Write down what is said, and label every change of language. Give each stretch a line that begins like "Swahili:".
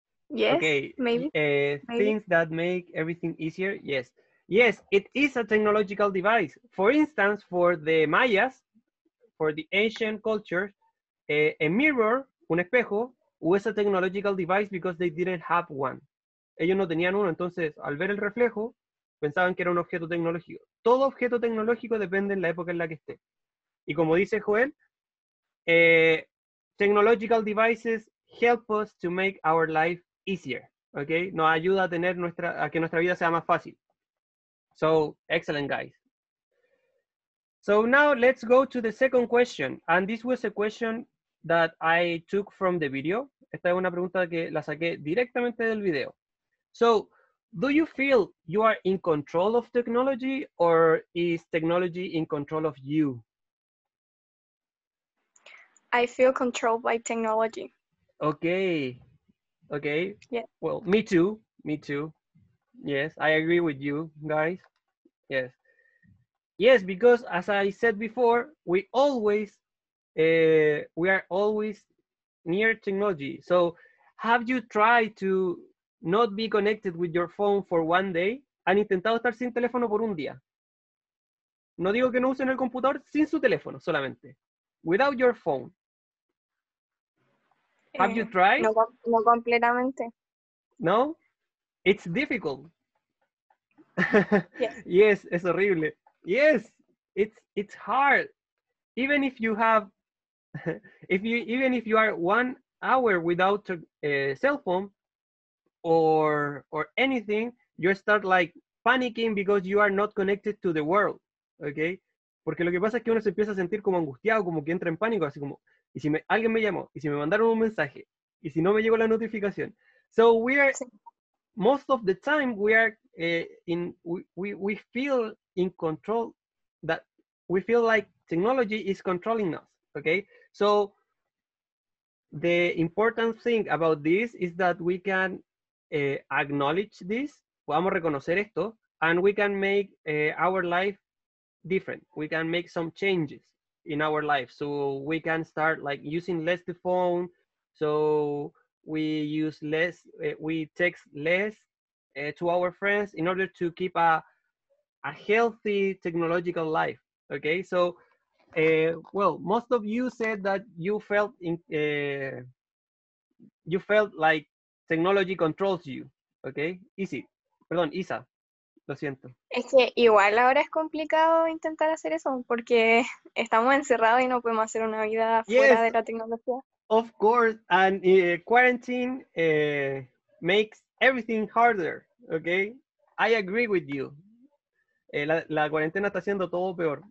English: Yes, okay. Maybe. Things that make everything easier. Yes. Yes, it is a technological device. For instance, for the Mayas, for the ancient cultures, a mirror,
Spanish: un espejo,
English: was a technological device because they didn't have one.
Spanish: Ellos no tenían uno, entonces al ver el reflejo, pensaban que era un objeto tecnológico. Todo objeto tecnológico depende en la época en la que esté. Y como dice Joel,
English: technological devices help us to make our life easier. Okay?
Spanish: Nos ayuda a tener nuestra, a que nuestra vida sea más fácil.
English: So, excellent, guys. So now let's go to the second question. And this was a question that I took from the video. Esta es una pregunta que la saqué directamente del video. So, do you feel you are in control of technology or is technology in control of you? I feel controlled by technology. Okay. Okay. Yeah. Well, me too. Me too. Yes, I agree with you, guys. Yes. Yes, because as I said before, we always, we are always near technology. So have you tried to not be connected with your phone for one day?
Spanish: ¿Han intentado estar sin teléfono por un día? No digo que no usen el computador, sin su teléfono solamente.
English: Without your phone. Have you tried?
Spanish: No, no completamente.
English: No? It's difficult. Yes. Yes,
Spanish: es horrible.
English: Yes, it's hard. Even if you have, even if you are 1 hour without a cell phone or anything, you start like panicking because you are not connected to the world, okay?
Spanish: Porque lo que pasa es que uno se empieza a sentir como angustiado, como que entra en pánico, así como, y si me, alguien me llamó, y si me mandaron un mensaje, y si no me llegó la notificación.
English: So we are, most of the time we are, we feel in control, that we feel like technology is controlling us, okay? So the important thing about this is that we can acknowledge this,
Spanish: podamos reconocer esto,
English: and we can make our life different. We can make some changes in our life. So we can start like using less the phone, so we use less, we text less, to our friends in order to keep a healthy technological life, okay? So, well, most of you said that you felt in, you felt like technology controls you, okay?
Spanish: Easy, perdón, Isa, lo siento. Es que igual ahora es complicado intentar hacer eso porque estamos encerrados y no podemos hacer una vida fuera de la tecnología.
English: Of course, and quarantine makes everything harder. Okay, I agree with you.
Spanish: La cuarentena está haciendo todo peor.